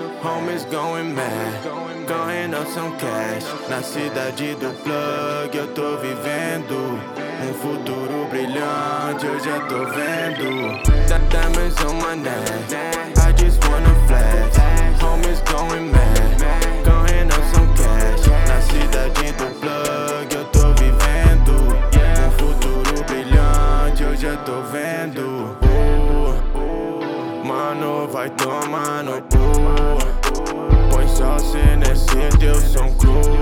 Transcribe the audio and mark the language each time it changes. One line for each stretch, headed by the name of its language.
English: Homies going mad, going up some cash.
Portuguese: Na cidade do plug, eu tô vivendo futuro brilhante, eu já tô vendo.
English: Diamonds on my neck, I just wanna flex. Homies going mad, going up some cash.
Portuguese: Na cidade do plug, eu tô vivendo futuro brilhante, eu já tô vendo. Mano, vai tomar no cu. Põe só se nesse teu som cru.